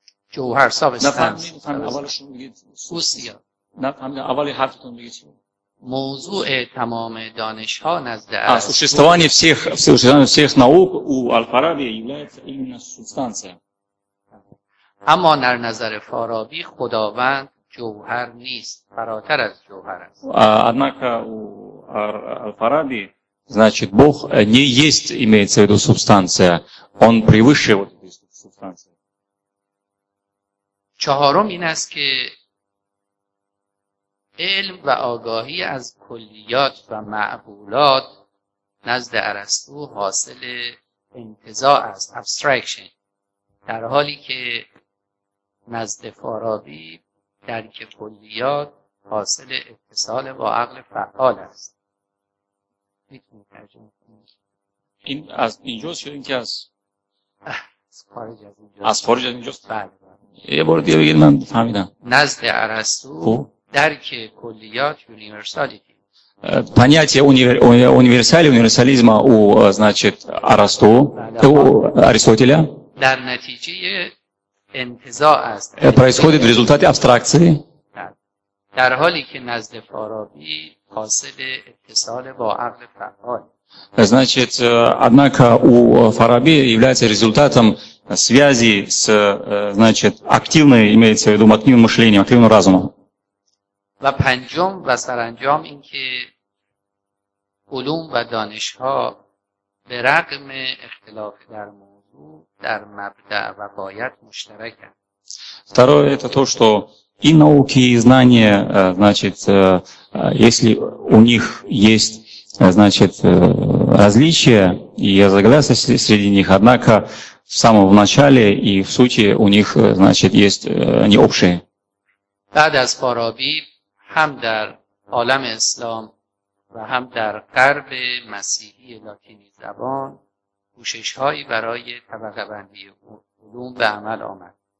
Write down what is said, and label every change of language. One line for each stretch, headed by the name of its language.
Persian: Джоухар, савестан. موضوع تمام دانش‌ها نزد ارسطو.
Russian: существование всех наук у Аль-Фараби является именно субстанция.
Persian: اما در نظر فارابی خداوند جوهر نیست، فراتر از جوهر است.
Russian: Однако у Аль-Фараби, значит, Бог не есть, имеется в виду субстанция. Он превыше вот этой субстанции.
Persian: چهارم این است که علم و آگاهی از کلیات و معقولات نزد ارسطو حاصل انتزاع است، ابستراکشن، در حالی که نزد فارابی درک کلیات حاصل اتصال با عقل فعال است. میتونی ترجمه کنی؟ این از اینجاست یا اینکه از خارج از اینجاست؟ از خارج از اینجاست؟ بله. یه بار دیگه بگید، من فهمیدم. نزد ارسطو درک کلیات یونیورسالیتی.
Russian: понятие универсализма у, значит, Арасту, у Аристотеля.
Persian: در نتیجه انتزاع است.
Russian: происходит в результате абстракции.
Persian: در حالی که نزد فارابی حاصل اتصال با عقل فعال.
Russian: Значит, однако у Фараби является результатом связи с, значит, активной, имеется в виду, активным мышлением, активным разумом.
Persian: و پنجم و سرانجام این که علوم و دانش‌ها به رغم اختلاف در موضوع در مبدأ و غایت مشترکند.
Russian: Второе это то, что и науки, и знания, значит, если у них есть, значит, различия и разногласия среди них, однако в самом начале и в сути у них, значит, есть они общие.
Persian: بعد از فارابی هم در عالم اسلام و هم در غرب مسیحی لاتینی زبان کوشش هایی برای طبقه بندی علوم به عمل آمد.